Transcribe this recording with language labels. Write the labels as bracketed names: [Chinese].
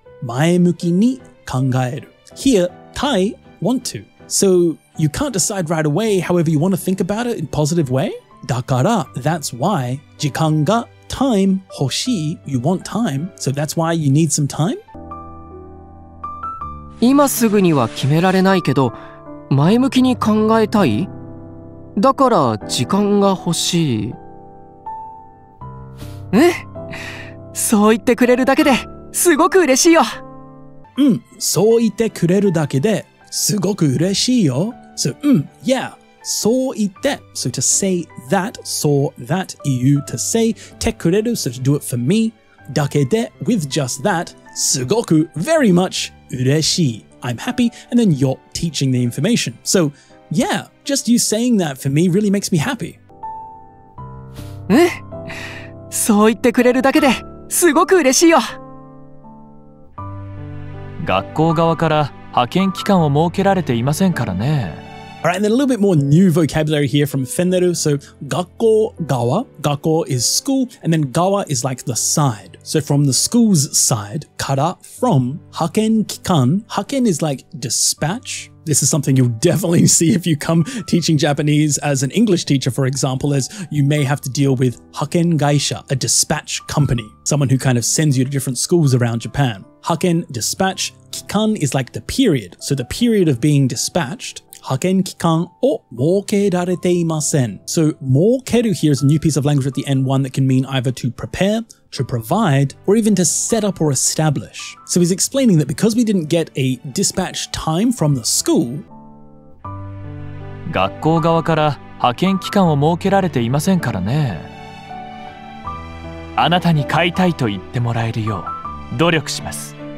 [Japanese] Maya Muki ni kangaeru. [English] Here, [Japanese] tai want to. [English] So you can't decide right away. However, you want to think about it in a positive way. だから that's why 時間がTime, hoshi, you want time, so that's why you need some time? [Japanese] 今すぐには決められないけど、前向きに考えたい。だから時間が欲しい。うん、そう言ってくれるだけですごく嬉しいよ。うん、そう言ってくれるだけですごく嬉しいよ。 [English] So, yeah. そう言って、so to say that, so that you to say, てくれる、so to do it for me, だけで、with just that, すごく、very much, 嬉しい。 I'm happy, and then you're teaching the information. So, yeah, just you saying that for me really makes me happy. [Japanese] うん、そう言ってくれるだけで、すごく嬉しいよ。学校側から派遣期間を設けられていませんからね。 [English] Alright, and then a little bit more new vocabulary here from Fenneru. So, 学校側 Gakko is school, and then 側 is like the side. So, from the school's side, から from 派遣期間 派遣 is like dispatch. This is something you'll definitely see if you come teaching Japanese as an English teacher, for example, as you may have to deal with 派遣会社 a dispatch company, someone who kind of sends you to different schools around Japan. 派遣 dispatch, 期間 is like the period. So, the period of being dispatched, [Japanese] 派遣期間を設けられていません。 [English] So, 設ける here is a new piece of language at the end, one that can mean either to prepare, to provide, or even to set up or establish. So he's explaining that because we didn't get a dispatch time from the school, [Japanese] 学校側から派遣期間を設けられていませんからね。あなたに買いたいと言ってもらえるよう努力します。